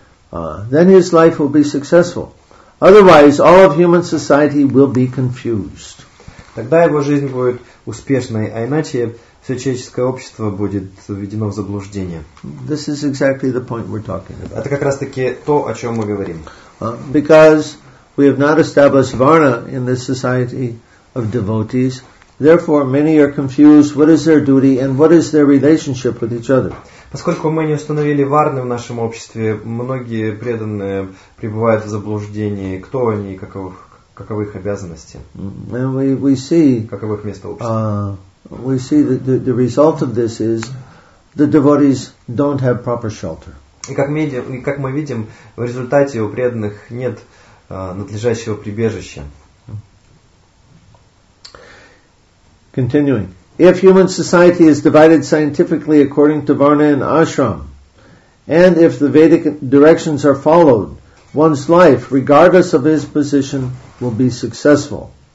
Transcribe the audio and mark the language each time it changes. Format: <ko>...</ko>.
<en>Then his life will be successful. Otherwise, all of human society will be confused.</en> <ru>Тогда его жизнь будет успешной, а иначе все человеческое общество будет введено в заблуждение.</ru> <en>This is exactly the point we're talking about.</en> <ru>Это как раз-таки то, о чем мы говорим.</ru> <en>Because we have not established varna in this society of devotees, therefore many are confused what is their duty and what is their relationship with each other.</en> <ru>Поскольку мы не установили варны в нашем обществе, многие преданные пребывают в заблуждении, кто они и каковы их обязанности.</ru> <en>And we see,</en> <ru>каково их место общества.</ru> <en>We see that the result of this is the devotees don't have proper shelter.</en> <ru>И как мы видим, в результате у преданных нет надлежащего прибежища.</ru> <en>Continuing. If human society is divided scientifically according to varna and ashram, and if the Vedic directions are followed, one's life, regardless of his position, will be successful.</en>